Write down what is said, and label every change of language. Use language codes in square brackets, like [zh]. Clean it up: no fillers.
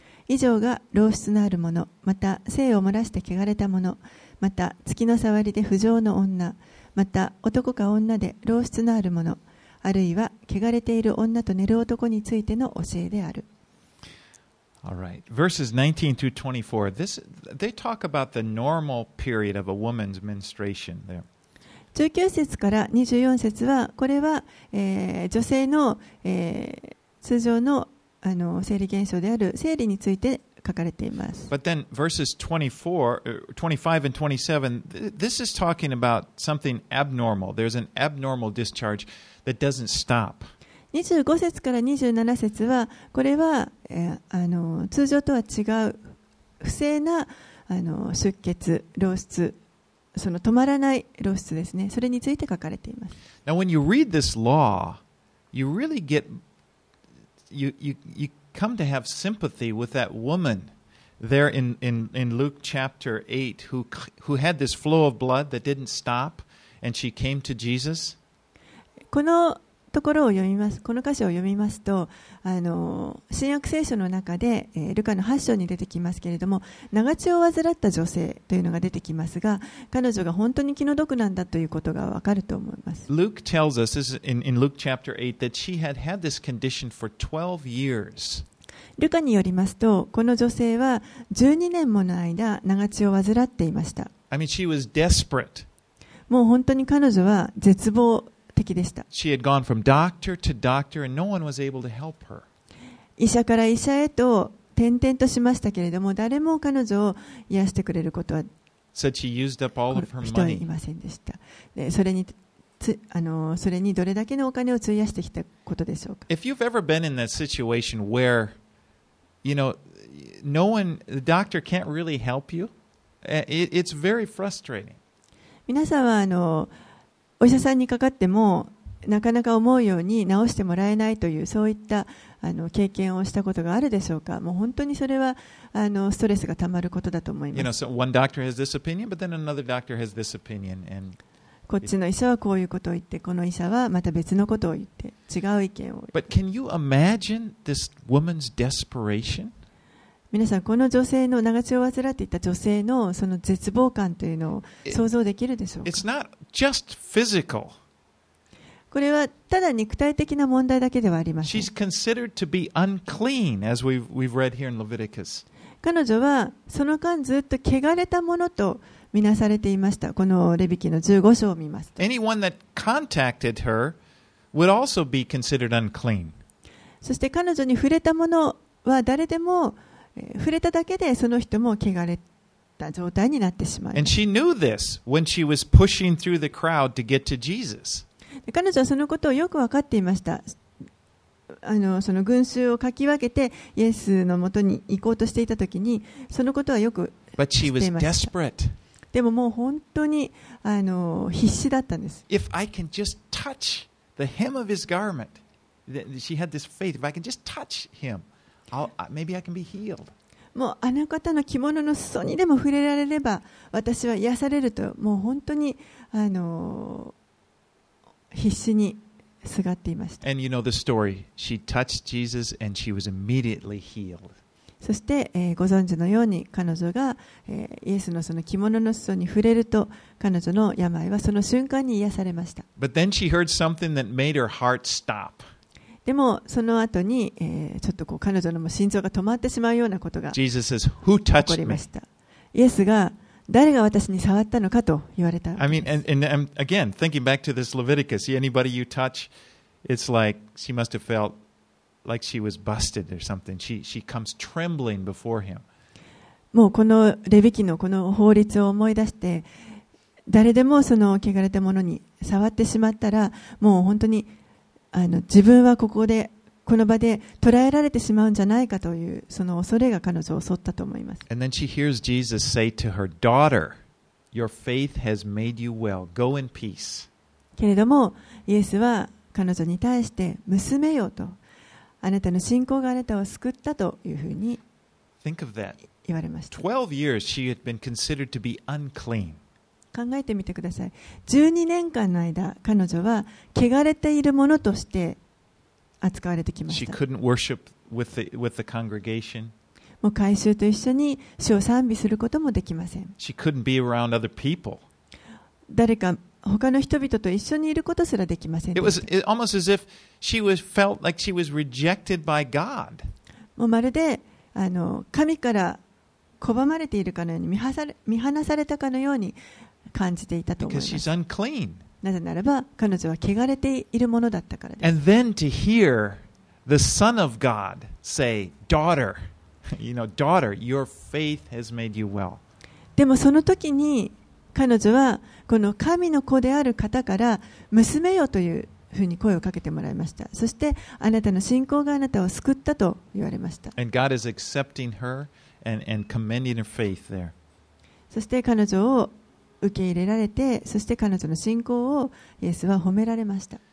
[ja] 以上が漏出のある者、また精を漏らして汚れた者、また月の触りで不浄の女、また男か女で漏出のある者、あるいは汚れている女と寝る男についての教えである。 [en] All right. Verses 19 through 24. They talk about the normal period of a woman's menstruation there. [ja] 19節から24節はこれは、女性の、通常 の、 生理現象である生理について書かれています。 [en] But then verses 24, 25 and 27, this is talking about something abnormal. There's an abnormal discharge that doesn't stop. [ja] 25節から27節はこれは、通常とは違う不正な出血、漏出、その止まらない漏出ですね。それについて書かれています。 [en] Now when you read this law, you really get you come to have sympathy with that woman there in Luke chapter 8 who had this flow of blood that didn't stop and she came to Jesus. [ja] このところを読みます。この箇所を読みますと、新約聖書の中で、ルカの8章に出てきますけれども、長血を患った女性というのが出てきますが、彼女が本当に気の毒なんだということがわかると思います。 [en] Luke tells us in Luke chapter 8 that she had had this condition for 12 years。 [ja] ルカによりますと、この女性は12年もの間長血を患っていました。 [en] I mean, she was desperate. [ja] もう本当に彼女は絶望的でした。 [en] She had gone from doctor to doctor and no one was able to help her. [ja] 医者から医者へと転々としましたけれども、誰も彼女を癒してくれることは人いませんでした。で、それにそれにどれだけのお金を費やしてきたことでしょうか。 [en] If you've ever been in that situation whereYou know, no one, the doctor can't really help you. It's very frustrating. [ja] 皆さんはお医者さんにかかってもなかなか思うように治してもらえないという、そういった経験をしたことがあるでしょうか。もう本当にそれはストレスがたまることだと思います。 [en] You know, so one doctor has this opinion, but then another doctor has this opinion, and [ja] こっちの医者はこういうことを言って、この医者はまた別のことを言って、違う意見を。 [en] But can you imagine this woman's desperation? [ja] 皆さん、この女性の長血を患っていた女性のその絶望感というのを想像できるでしょうか。 [en] It's not just physical. [ja] これはただ肉体的な問題だけではありません。 [en] She's considered to be unclean, as we've read here in Leviticus. [ja] 彼女はその間ずっと汚れたものと。見なされていました。このレビ記の15章を見ますと、 [en] Anyone that contacted her would also be considered unclean. [ja] そして彼女に触れたものは誰でも、触れただけでその人も汚れた状態になってしまう。 [en] And she knew this when she was pushing through the crowd to get to Jesus. [ja] 彼女はそのことをよく分かっていました。その群衆をかき分けてイエスのもとに行こうとしていたときに、そのことはよく知っていました。 [en] But she was desperate. [ja] でももう本当に必死だったんです。 [en] If I can just touch the hem of his garment, she had this faith. If I can just touch him, maybe I can be healed. [ja] もうあの方の着物の裾にでも触れられれば、私は癒されると、もう本当に必死にすがっていました。 [en] And you know the story. She touched Jesus, and she was immediately healed. [ja] そして、ご存知のように彼女が、イエスのその着物の裾に触れると、彼女の病はその瞬間に癒されました。 [en] But then she heard something that made her heart stop. [ja] でもその後に、ちょっとこう彼女のも心臓が止まってしまうようなことが起こりました。イエスが誰が私に触ったのかと言われた。 [en] I mean, and again, thinking back to this Leviticus, anybody you touch, it's like she must have feltLike she was busted or something. She comes trembling before him. [ja] もうこのレビ記のこの法律を思い出して、誰でもその汚れたものに触ってしまったら、もう本当に自分はここでこの場で捕らえられてしまうんじゃないかという、その恐れが彼女を襲ったと思います。 [en] And then she hears Jesus say to her daughter, "Your faith has made you well. Go in peace." [ja] けれどもイエスは彼女に対して、娘よと。あなたの信仰があなたを救ったというふうに言われました。 [en] 12 years she had been considered to be unclean. [ja] 考えてみてください。 12年間の間、彼女は汚れているものとして扱われてきました。 [en] She couldn't worship with the congregation. [ja] もう会衆と一緒に主を賛美することもできません。 [en] She couldn't be around other people. [ja] 誰か他の人々と一緒にいることすらできませんでした。 [en] It was almost as if she was felt like she was rejected by God. [ja] もうまるで神から拒まれているかのように、見放されたかのように感じていたと思います。 [en] Because she's unclean. [ja] なぜならば彼女は汚れているものだったからです。 [en] And then to hear the Son of God say, "Daughter, you know, daughter, your faith has made you well." [ja] でもその時に彼女はこの神の子である方から、娘よというふうに声をかけてもらいました。そしてあなたの信仰があなたを救ったと言われました。 [en] And God is accepting her and commending her faith there. [ja] そして彼女を受け入れられて、そして彼女の信仰をイエスは褒められました。